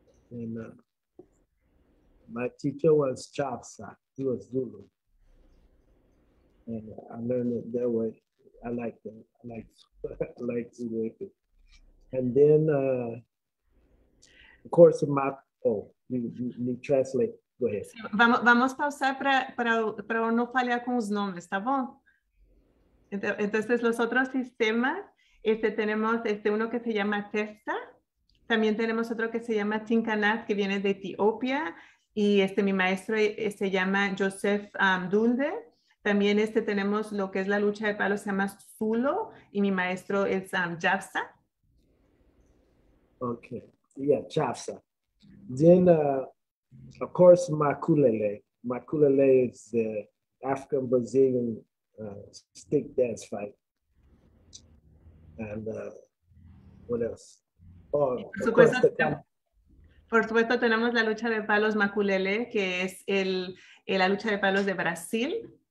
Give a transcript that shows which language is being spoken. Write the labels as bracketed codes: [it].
[en] And my teacher was Chapsa. He was Zulu. And I learned it that way. I like that. I like Zulu MP. And then, of course, in my, you translate. Go ahead. [es] Vamos pausar para no fallar con los nombres, ¿está bien? Entonces, los otros sistemas, tenemos uno que se llama Testa, también tenemos otro que se llama Tinkanat, que viene de Etiopia, y mi maestro se llama Joseph Dulde, también tenemos lo que es la lucha de palos, se llama Zulo, y mi maestro es Japsa. [en] Ok, yeah, Japsa. Then, of course, Makulele. Makulele is the African-Brazilian stick dance fight. And what else? [es] Por supuesto, tenemos la lucha de palos Makulele, que es la lucha de palos de Brasil.